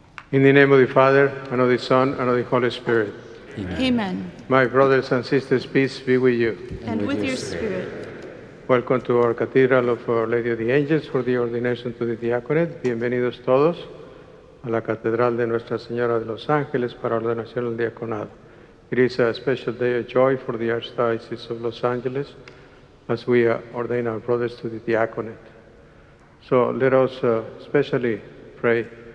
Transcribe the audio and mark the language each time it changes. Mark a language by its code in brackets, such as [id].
[en] In the name of the Father, and of the Son, and of the Holy Spirit. Amen. Amen. My brothers and sisters, peace be with you. And with your spirit. Welcome to our Cathedral of Our Lady of the Angels for the ordination to the Diaconate. [es] Bienvenidos todos a la Catedral de Nuestra Señora de Los Ángeles para ordenación al diaconado. [en] It is a special day of joy for the Archdiocese of Los Angeles as we ordain our brothers to the Diaconate. So let us especially pray.